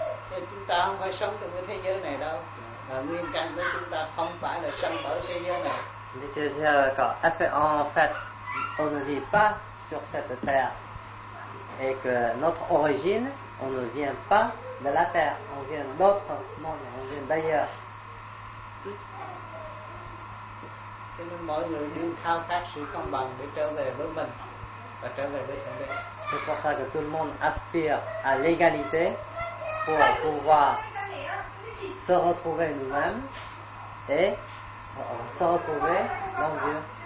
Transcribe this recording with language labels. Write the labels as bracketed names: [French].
[Vietnamese] Thì chúng ta không phải sống trong cái thế giới này đâu. Là nguyên căn của chúng ta không phải là sống ở thế giới này. Thì chúng ta có [French] effet en fait, on ne vit pas sur cette terre. Et que notre origine, on ne vient pas de la terre, on vient d'autre monde, on vient d'ailleurs. [Vietnamese] Cho nên mọi người nên khao khát sự công bằng để trở về với mình và trở về với thượng đế. [French] C'est pour ça que tout le monde aspire à l'égalité pour pouvoir se retrouver nous-mêmes et se retrouver dans Dieu.